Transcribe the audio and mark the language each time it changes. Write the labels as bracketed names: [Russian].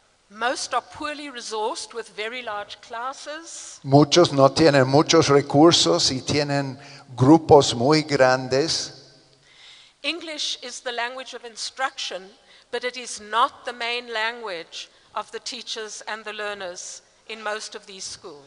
[English] Most are poorly resourced with very large classes. [Spanish] Muchos no tienen muchos recursos y tienen grupos muy grandes. [English] English is the language of instruction, but it is not the main language of the teachers and the learners in most of these schools.